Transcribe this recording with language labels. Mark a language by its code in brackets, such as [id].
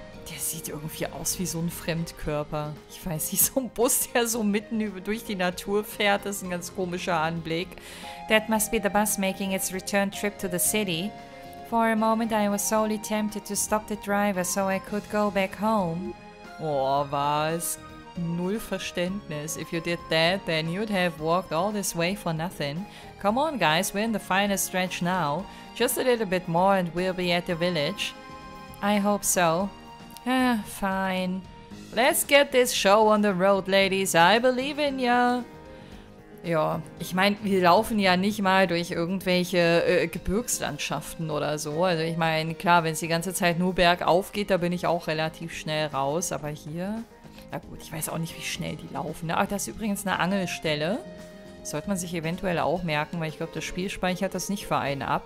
[de] Der sieht irgendwie aus wie so ein Fremdkörper. Ich weiß nicht, so ein Bus, der so mitten durch die Natur fährt, ist ein ganz komischer Anblick. [en] That must be the bus making its return trip to the city. For a moment I was solely tempted to stop the driver so I could go back home. [de] Oh, was? Null Verständnis. [en] If you did that, then you'd have walked all this way for nothing. Come on, guys, we're in the final stretch now. Just a little bit more and we'll be at the village. I hope so. Ah, fine. Let's get this show on the road, ladies. I believe in ya. [de] Ja, ich meine, wir laufen ja nicht mal durch irgendwelche Gebirgslandschaften oder so. Also ich meine, klar, wenn es die ganze Zeit nur bergauf geht, da bin ich auch relativ schnell raus. Aber hier, na gut, ich weiß auch nicht, wie schnell die laufen. Ach, das ist übrigens eine Angelstelle. Sollte man sich eventuell auch merken, weil ich glaube, das Spiel speichert das nicht für einen ab.